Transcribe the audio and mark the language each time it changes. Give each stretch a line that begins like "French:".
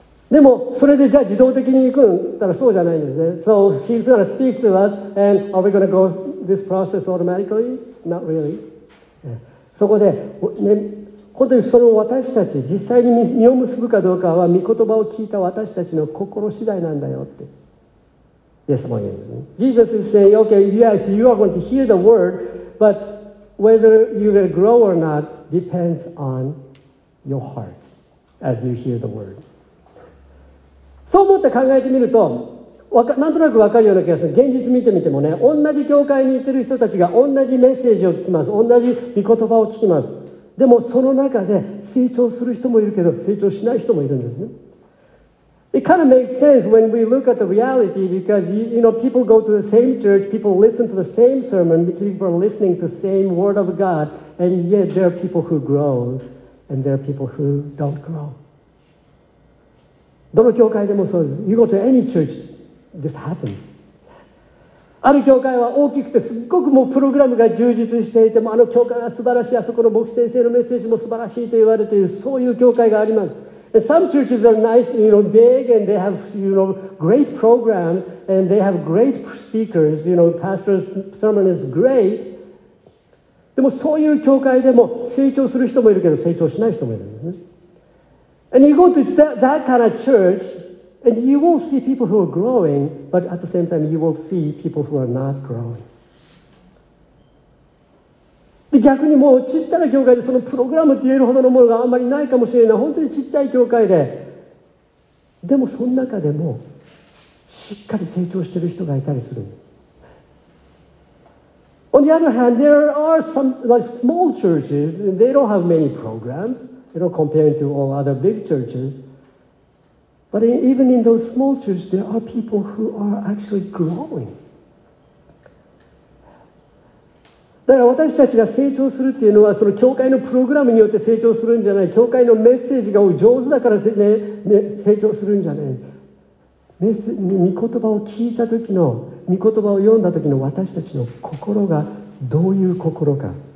Japanese: でもそれでじゃあ自動的に行くんだったらそうじゃないんですね。
English: So he's going to speak to us and are we going to go this process automatically? Not really.
Japanese: そこで、ね、本当にその私たち、実際に実を結ぶかどうかは、御言葉を聞いた私たちの心次第なんだよって。イエス様は言うんですね。
English: Jesus is saying, okay, yes, you are going to hear the word, but whether you will grow or not depends on your heart as you hear the word.
Japanese: そう思って考えてみると、なんとなく分かるような気がする。現実見てみてもね、同じ教会に行ってる人たちが同じメッセージを聞きます。同じ御言葉を聞きます。でもその中で成長する人もいるけど、成長しない人もいるんですね。
English: It kind of makes sense when we look at the reality because, you know, people go to the same church, people listen to the same sermon, people are listening to the same word of God, and yet there are people who grow and there are people who don't grow.
Japanese: どの教会でもそうです。
English: You go to any church.This happens.
Japanese: ある教会は大きくてすっごくもうプログラムが充実していて、もうあの教会は素晴らしい、あそこの牧師先生のメッセージも素晴らしいと言われている、そういう教会があります。
English: Some churches are nice, you know, big, and they have, you know, great programs, and they have great speakers, you know, pastor's sermon is great.
Japanese: でもそういう教会でも成長する人もいるけど成長しない人もいるんですね。
English: And you go to that kind of churAnd you will see people who are growing, but at the same time, you will see people who are not growing.
Japanese: で逆にもうちっちゃな教会でそのプログラムって言えるほどのものがあんまりないかもしれない。本当にちっちゃい教会で。でもその中でもしっかり成長している人がいたりする。
English: On the other hand, there are some like small churches, and they don't have many programs, you know, compared to all other big churches. But even in those small churches, there are people who are actually growing.
Japanese: だから私たちが成長するっていうのは、その教会のプログラムによって成長するんじゃない。教会のメッセージが上手だから、ね、成長するんじゃない。御言葉を聞いた時の、御言葉を読んだ時の私たちの心がどういう心か。